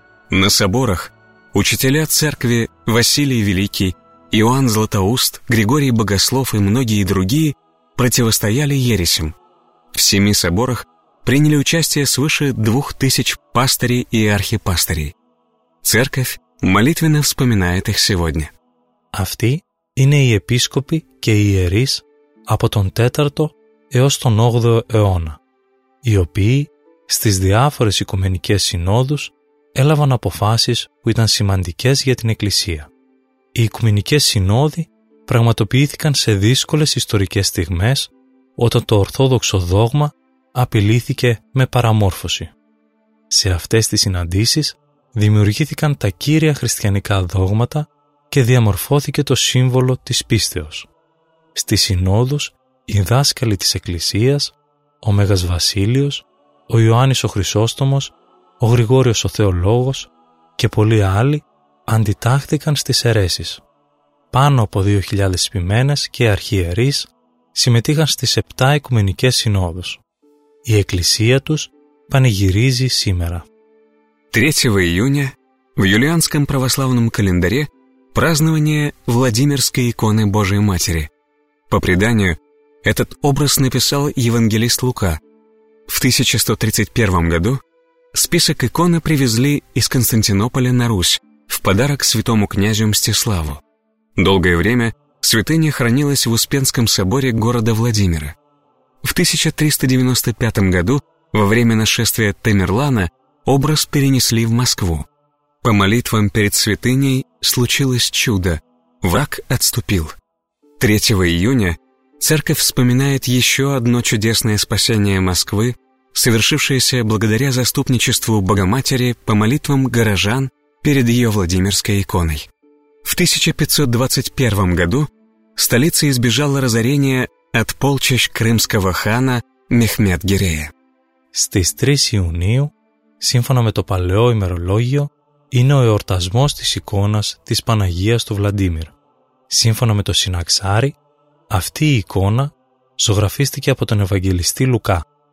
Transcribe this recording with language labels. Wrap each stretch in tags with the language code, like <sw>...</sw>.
<ru>На соборах учителя церкви Василий Великий, Иоанн Златоуст, Григорий Богослов и многие другие противостояли ересям. В семи соборах приняли участие свыше 2000 пастырей и архипастырей. Церковь молитвенно вспоминает их сегодня.</ru> <el>Αυτοί είναι οι επίσκοποι και οι ιερείς από τον 4ο έως τον 8ο αιώνα, οι οποίοι στις διάφορες οικουμενικές συνόδους έλαβαν αποφάσεις που ήταν σημαντικές για την Εκκλησία. Οι οικουμενικές συνόδοι πραγματοποιήθηκαν σε δύσκολες ιστορικές στιγμές όταν το ορθόδοξο δόγμα απειλήθηκε με παραμόρφωση. Σε αυτές τις συναντήσεις δημιουργήθηκαν τα κύρια χριστιανικά δόγματα και διαμορφώθηκε το σύμβολο της πίστεως. Στις συνόδους, οι δάσκαλοι της Εκκλησίας, ο Μέγας Βασίλειος, ο Ιωάννης ο Χρυσόστομος, ο Γρηγόριος ο Θεολόγος και πολλοί άλλοι αντιτάχθηκαν στις αιρέσεις. Πάνω από 2.000 ποιμένες και αρχιερείς συμμετείχαν στις 7 οικουμενικές συνόδους. Η Εκκλησία τους πανηγυρίζει σήμερα.</el> <ru>3</ru> <el>Ιούνια,</el> <ru>в Юлианском православном календаре, празднование Владимирской иконы Божией Матери. По преданию, этот образ написал евангелист Лука. В 1131 году список иконы привезли из Константинополя на Русь в подарок святому князю Мстиславу. Долгое время святыня хранилась в Успенском соборе города Владимира. В 1395 году, во время нашествия Тамерлана, образ перенесли в Москву. По молитвам перед святыней случилось чудо. Враг отступил. 3 июня церковь вспоминает еще одно чудесное спасение Москвы, совершившееся благодаря заступничеству Богоматери по молитвам горожан перед ее Владимирской иконой. В 1521 году столица избежала разорения от полчищ крымского хана Мехмед Гирея. С 3 июня,</ru> <el>сύμφωνα με το παλαιό ημερολόγιο, είναι ο εορτασμός της εικόνας της Παναγίας του Βλαντίμιρ. Σύμφωνα με το Συναξάρι, αυτή η εικόνα ζωγραφίστηκε από τον Ευαγγελιστή Λουκά.</el>